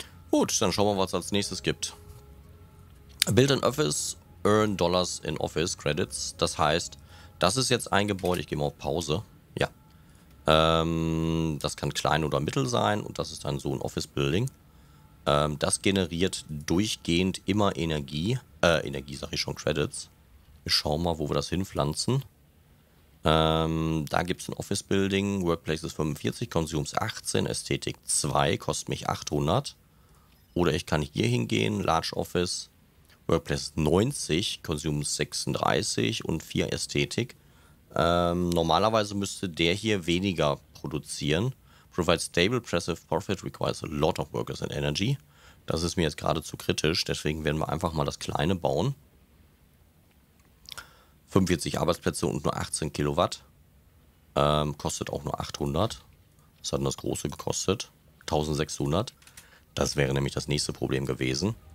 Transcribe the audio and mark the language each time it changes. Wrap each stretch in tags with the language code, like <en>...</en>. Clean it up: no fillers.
<de>Gut, dann schauen wir, was es als nächstes gibt.</de> <en>Build an office, earn dollars in office credits.</en> <de>Das heißt, das ist jetzt ein Gebäude. Ich gehe mal auf Pause. Ja. Das kann klein oder mittel sein. Und das ist dann so ein Office Building. Das generiert durchgehend immer Energie. Energie sage ich schon, Credits. Wir schauen mal, wo wir das hinpflanzen. Da gibt es ein Office Building.</de> <en>Workplaces 45, Consumes 18,</en> <de>Ästhetik 2, kostet mich 800. Oder ich kann hier hingehen,</de> <en>Large Office, Workplace 90, Consumes 36</en> <de>und 4 Ästhetik. Normalerweise müsste der hier weniger produzieren.</de> <en>Provide stable, passive profit, requires a lot of workers and energy.</en> <de>Das ist mir jetzt gerade zu kritisch, deswegen werden wir einfach mal das kleine bauen. 45 Arbeitsplätze und nur 18 Kilowatt. Kostet auch nur 800. Was hat denn das große gekostet? 1600. Das wäre nämlich das nächste Problem gewesen.</de>